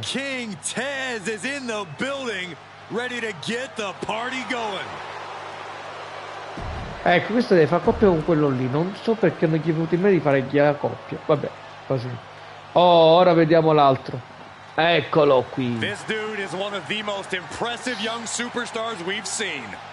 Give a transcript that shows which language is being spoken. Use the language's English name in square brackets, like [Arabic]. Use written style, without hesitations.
[English] King Taz is in the building, ready to get the party going. [Italian] Ecco, questo deve fare coppia con quello lì. Non so perché non gli è venuto in mente di fare la coppia. Vabbè, così. Oh, ora vediamo l'altro. Eccolo qui. [English] This dude is one of the most impressive young superstars we've seen.